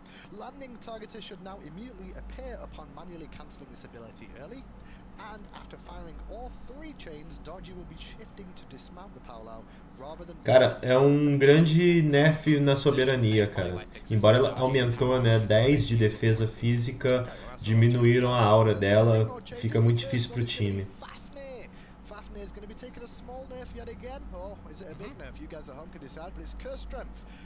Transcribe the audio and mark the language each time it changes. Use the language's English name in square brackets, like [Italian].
[English] Landing targeters should now immediately appear upon manually cancelling this ability early. And after firing all three chains, Dodgy will be shifting to dismount the powwow rather than. [Portuguese] Cara, é um grande nerf na soberania, cara. Embora ela aumentou, né, 10 de defesa física, diminuíram a aura dela, fica muito difícil pro time. [English] Fafnir is going to be taking a small nerf yet again. Or is it a big nerf? You guys at home can decide, but it's cursed strength.